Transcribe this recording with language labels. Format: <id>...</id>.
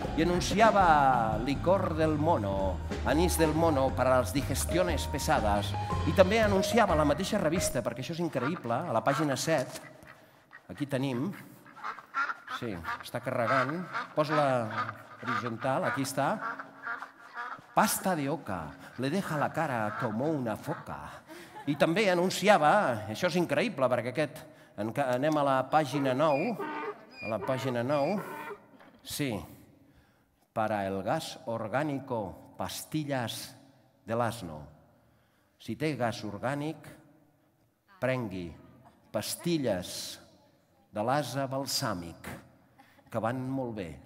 <ca>I anunciava licor del mono, anís del mono per a les digestiones pesades. I també anunciava la mateixa revista, perquè això és increïble, a la pàgina 7. Aquí tenim. Sí, està carregant. Posa-la horitzontal, aquí està.</ca> <es>Pasta de oca, le deja la cara como una foca.</es> <ca>I també anunciava, això és increïble, perquè aquest... Anem a la pàgina 9. A la pàgina 9. Sí.</ca> <es>Para el gas orgánico, pastillas</es> <ca>de l'asno. Si té gas orgànic, prengui pastilles de l'asa balsàmic, que van molt bé.</ca>